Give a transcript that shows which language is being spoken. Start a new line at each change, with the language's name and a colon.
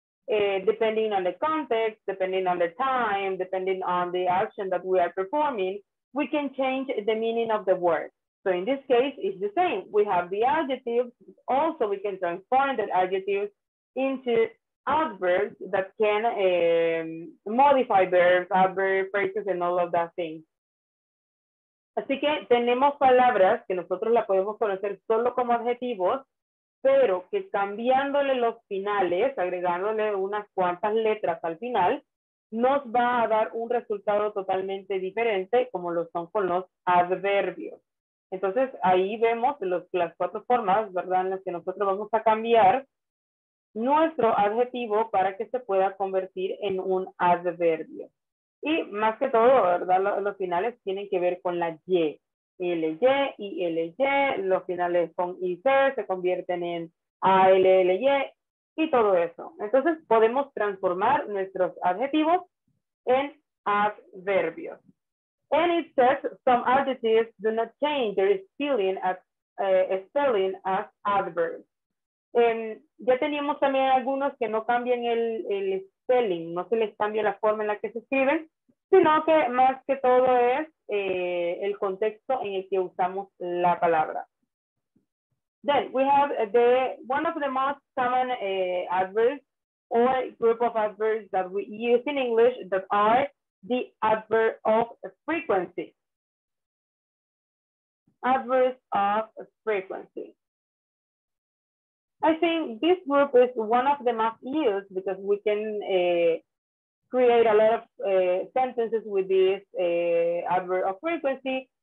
English: Depending on the context, depending on the time, depending on the action that we are performing, we can change the meaning of the word. So in this case, it's the same. We have the adjectives. Also, we can transform the adjectives into adverbs that can modify verbs, adverb phrases, and all of that thing.
Spanish: Así que tenemos palabras que nosotros las podemos conocer solo como adjetivos, pero que cambiándole los finales, agregándole unas cuantas letras al final, nos va a dar un resultado totalmente diferente como lo son con los adverbios. Entonces, ahí vemos las cuatro formas, ¿verdad?, en las que nosotros vamos a cambiar nuestro adjetivo para que se pueda convertir en un adverbio. Y más que todo, ¿verdad?, los finales tienen que ver con la Y. LY, ILY, los finales con IC se convierten en ALLY y todo eso. Entonces, podemos transformar nuestros adjetivos en adverbios.
English: And it says some adjectives do not change their spelling as, spelling as adverbs.
Spanish: Ya teníamos también algunos que no cambian el spelling, no se les cambia la forma en la que se escriben, sino que más que todo es el contexto en el que usamos la palabra.
English: Then we have the one of the most common adverbs or group of adverbs that we use in English that are the adverb of frequency. Adverbs of frequency. I think this group is one of the most used because we can create a lot of sentences with this adverb of frequency.